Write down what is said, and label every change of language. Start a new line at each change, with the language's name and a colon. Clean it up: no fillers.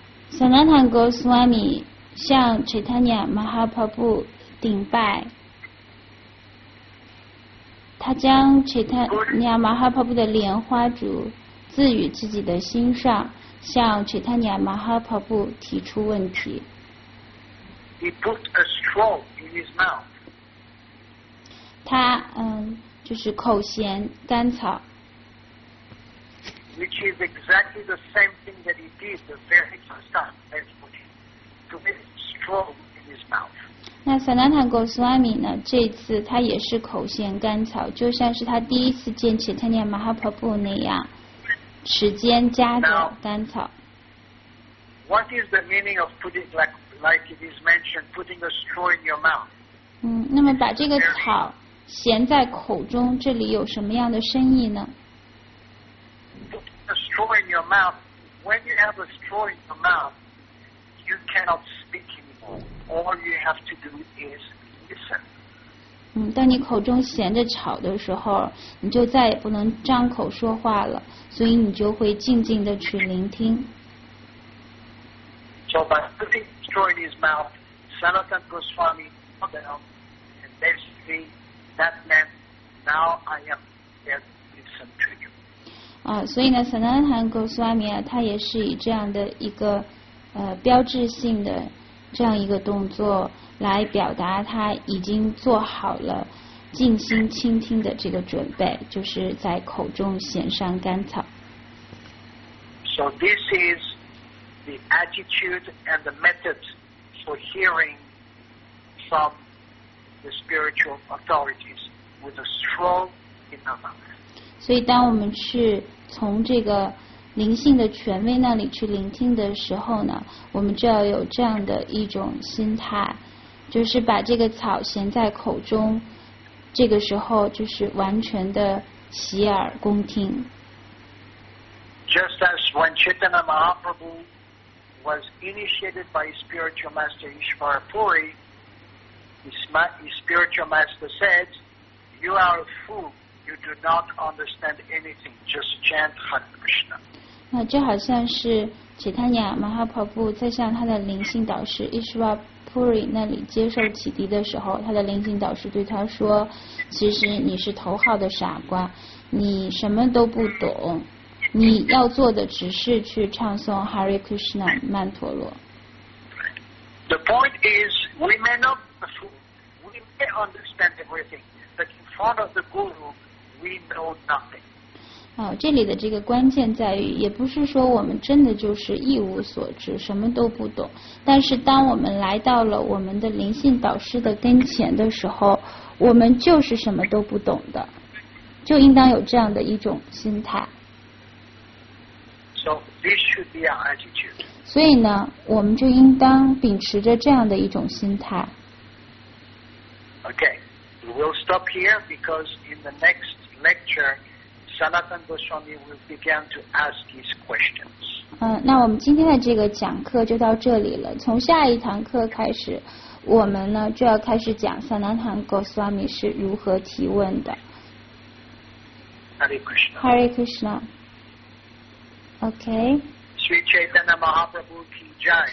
Chinese: Sanatana Goswami 向 Chaitanya Mahaprabhu 顶拜，他将 Chaitanya Mahaprabhu 的莲花烛赐予自己的心上，向 Chaitanya Mahaprabhu 提出问题。
English: He put a straw in his mouth.
Chinese: 他就是口衔甘草。
English: Which is exactly the same thing that he did the very first time as put to put straw in his mouth.
Chinese: 那 Sanatana Goswami 呢？这次他也是口衔甘草，就像是他第一次见 Chaitanya Mahaprabhu 那样。时间加的甘草。
English: What is the meaning of putting like it is mentioned, putting a straw in your mouth?
Chinese: 那么把这个草衔在口中，这里有什么样的深意呢
English: ？Putting a straw in your mouth. When you have a straw in your mouth, you cannot speak anymore. All you have to do is listen.
Chinese: 当你口中衔着草的时候，你就再也不能张口说话了，所以你就会静静的去聆听。
English: So by putting straw in his mouth, Sanatana Goswami fell down, and basically that meant now I am here to listen to you.
Chinese: 所以呢 ，Sanatana Goswami 啊，他也是以这样的一个标志性的这样一个动作。来表达他已经做好了静心倾听的这个准备，就是在口中衔上甘草。
English: So this is the attitude and the method for hearing from the spiritual authorities with a straw in the mouth.
Chinese: 所以，当我们去从这个灵性的权威那里去聆听的时候呢，我们就要有这样的一种心态。就是把这个草衔在口中，这个时候就是完全的洗耳恭听。
English: Just as when Chaitanya Mahaprabhu was initiated by his spiritual master Ishvara Puri, his spiritual master said, "You are a fool. You do not understand anything. Just chant Hare Krishna."
Chinese: 那就好像是 Chaitanya Mahaprabhu 在向他的灵性导师 Ishvara Puri 那里接受启迪的时候，他的灵性导师对他说：“其实你是头号的傻瓜，你什么都不懂，你要做的只是去唱诵 Hare Krishna 曼陀罗。”
English: The point is, we may not be fool, we may understand everything, but in front of the guru, we know nothing.
Chinese: 这里的这个关键在于，也不是说我们真的就是一无所知，什么都不懂。但是当我们来到了我们的灵性导师的跟前的时候，我们就是什么都不懂的，就应当有这样的一种心态。
English: So this should be our attitude.
Chinese: 所以呢，我们就应当秉持着这样的一种心态。
English: Okay, we'll stop here because in the next lecture, Sanatana Goswami will begin to ask his questions.
Chinese: 那我们今天的这个讲课就到这里了。从下一堂课开始，我们呢就要开始讲 Sanatana Goswami 是如何提问的。
English: Hare Krishna. Hare Krishna. Okay.
Hindi: Sri Chaitanya Mahaprabhu ki jai.